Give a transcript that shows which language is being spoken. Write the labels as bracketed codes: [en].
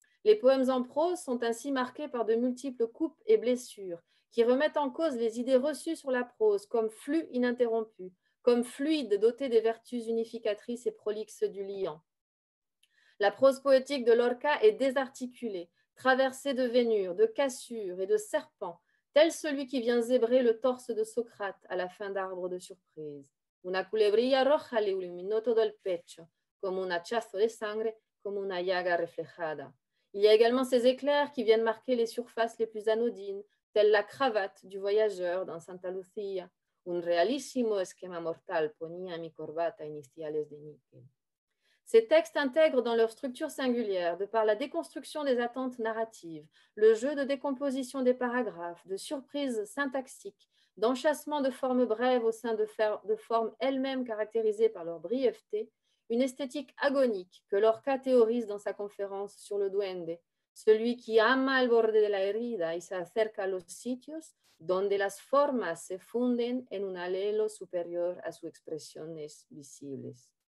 [fr] Les poèmes en prose sont ainsi marqués par de multiples coupes et blessures qui remettent en cause les idées reçues sur la prose comme flux ininterrompu, comme fluide doté des vertus unificatrices et prolixes du liant. La prose poétique de Lorca est désarticulée, traversée de vénures, de cassures et de serpents, tel celui qui vient zébrer le torse de Socrate à la fin d'Arbre de surprise. [es] Una culebrilla roja le illuminó todo el pecho, como un hachazo de sangre, como una llaga reflejada. [fr] Il y a également ces éclairs qui viennent marquer les surfaces les plus anodines, telles la cravate du voyageur dans Santa Lucia. [es] Un realissimo esquema mortal ponía mi corbata iniciales de níquel. [fr] Ces textes intègrent dans leur structure singulière, de par la déconstruction des attentes narratives, le jeu de décomposition des paragraphes, de surprises syntaxiques, d'enchâssement de formes brèves au sein de formes elles-mêmes caractérisées par leur brièveté, une esthétique agonique que Lorca théorise dans sa conférence sur le duende, celui qui [es] ama el borde de la herida y se acerca a los sitios donde las formas se funden en un alelo superior a sus expresiones visibles.